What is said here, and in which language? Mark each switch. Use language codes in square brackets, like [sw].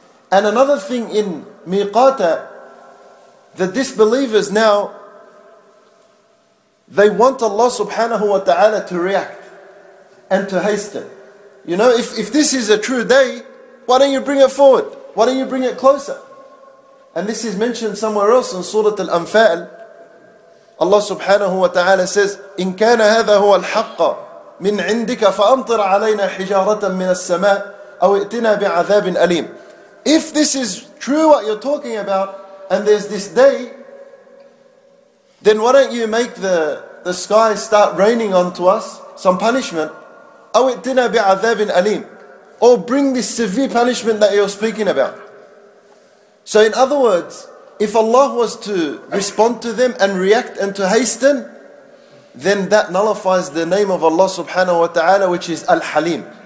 [en] And another thing in Miqata, the disbelievers now, they want Allah subhanahu wa ta'ala to react and to hasten. You know, if this is a true day, why don't you bring it forward? Why don't you bring it closer? And this is mentioned somewhere else in Surah Al-Anfal. Allah subhanahu wa ta'ala says, [ar] إِن كَانَ هَذَا هُوَ الْحَقَّ مِنْ عِنْدِكَ فَأَمْطِرْ عَلَيْنَا حِجَارَةً مِنَ السَّمَاءِ أَوْ اِئْتِنَا بِعَذَابٍ أَلِيمٍ. [en] If this is true what you're talking about, and there's this day, then why don't you make the sky start raining onto us some punishment? [ar] أَوْ اِئْتِنَا بِعَذَابٍ أَلِيمٍ. [en] Or bring this severe punishment that you're speaking about. So in other words, if Allah was to respond to them and react and to hasten, then that nullifies the name of Allah subhanahu wa ta'ala, which is Al-Halim.